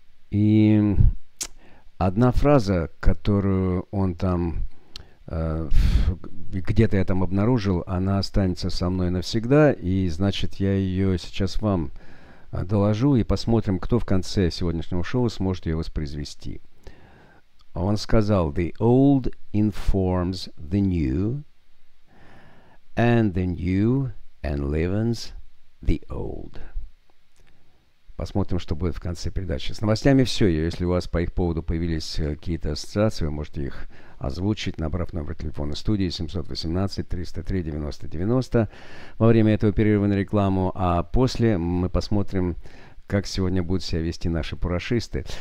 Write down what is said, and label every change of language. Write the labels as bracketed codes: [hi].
[ru] И одна фраза, которую он там, где-то я там обнаружил, она останется со мной навсегда, и, значит, я ее сейчас вам доложу, и посмотрим, кто в конце сегодняшнего шоу сможет ее воспроизвести. Он сказал: [en] «The old informs the new, and the new enlivens the old». [ru] Посмотрим, что будет в конце передачи. С новостями все. Если у вас по их поводу появились какие-то ассоциации, вы можете их озвучить, набрав номер телефона студии 718-303-9090 во время этого перерыва на рекламу. А после мы посмотрим, как сегодня будут себя вести наши парашисты.